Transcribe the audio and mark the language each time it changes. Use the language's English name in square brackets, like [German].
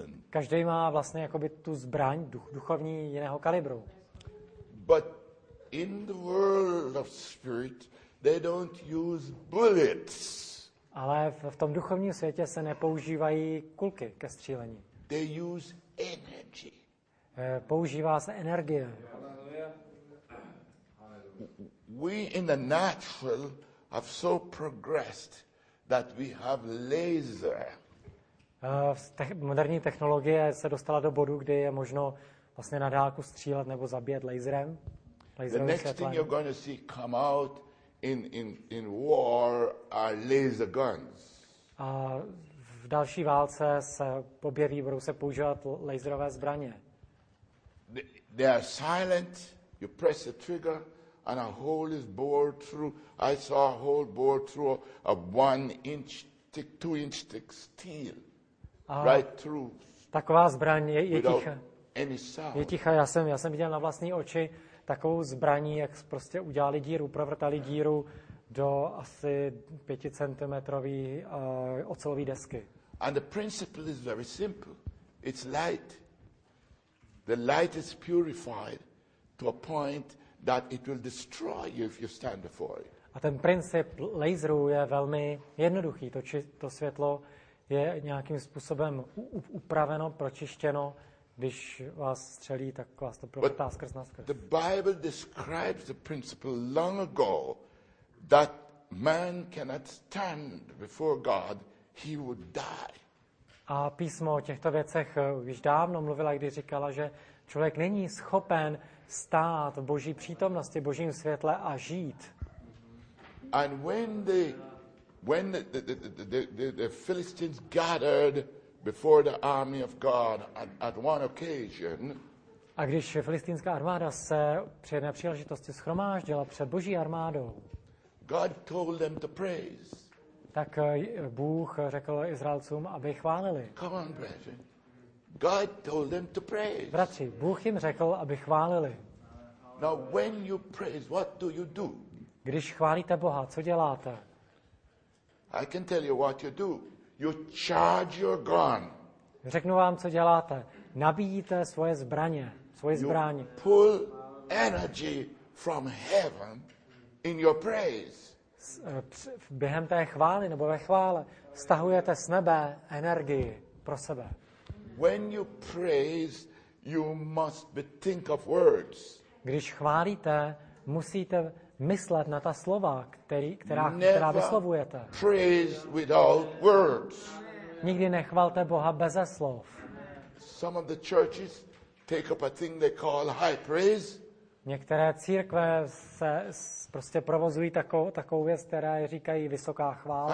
[Czech] Každý má vlastně jakoby tu zbraň duchovní jiného kalibru. [English] But in the world of spirit they don't use bullets. [Czech] Ale v tom duchovním světě se nepoužívají kulky ke střílení. [English] They use energy. [Czech] Používá se energie. [English] We in the natural have so progressed that we have laser. [Czech] Moderní technologie se dostala do bodu, kdy je možno vlastně na dálku střílet nebo zabíjet laserem. [English] The next [Czech] světlem. [English] Thing you're going to see come out in war are laser guns. [Czech] A v další válce se objeví, budou se používat laserové zbraně. [English] They are silent. You press the trigger. And a hole is bored through. I saw a hole bored through a 1-inch thick, 2-inch thick steel, right through. [Czech] Taková zbraň je ticha. Je ticha. Já jsem viděl na vlastní oči takovou zbraní, jak prostě udělali díru, provrtali díru do asi 5-centimetrový ocelové desky. [English] And the principle is very simple. It's light. The light is purified to a point that it will destroy you if you stand before it. [Czech] A ten princip laseru je velmi jednoduchý. To světlo je nějakým způsobem upraveno, pročištěno, když vás střelí, tak vás to provrtá skrz naskrz. [English] The Bible describes the principle long ago that man cannot stand before God, he would die. [Czech] A písmo o těchto věcech už dávno mluvila, když říkala, že člověk není schopen stát v Boží přítomnosti, Božím světle a žít. [English] And when the Philistines gathered before the army of God at one occasion. [Czech] A když filistínská armáda se při jedné příležitosti shromáždila před Boží armádou. [English] God told them to praise. [Czech] Tak Bůh řekl Izraelcům, aby chválili. [English] Come on, brethren. God told them to praise. [Czech] Bratři, Bůh jim řekl, aby chválili. [English] Now when you praise, what do you do? [Czech] Když chválíte Boha, co děláte? [English] I can tell you what you do. You charge your gun. [Czech] Řeknu vám, co děláte. Nabíjíte svoje zbraně, svoje zbraně. [English] You pull energy from heaven in your praise. [Czech] Během té chvály nebo ve chvále stahujete z nebe energii pro sebe. [English] When you praise, you must think of words. [Czech] Když chválíte, musíte myslet na ta slova, která vyslovujete. [English] Praise without words. [Czech] Nikdy nechvalte Boha beze slov. [English] Some of the churches take up a thing they call high praise. [Czech] Některé církve se prostě provozují takovou věc, která je říkají vysoká chvála.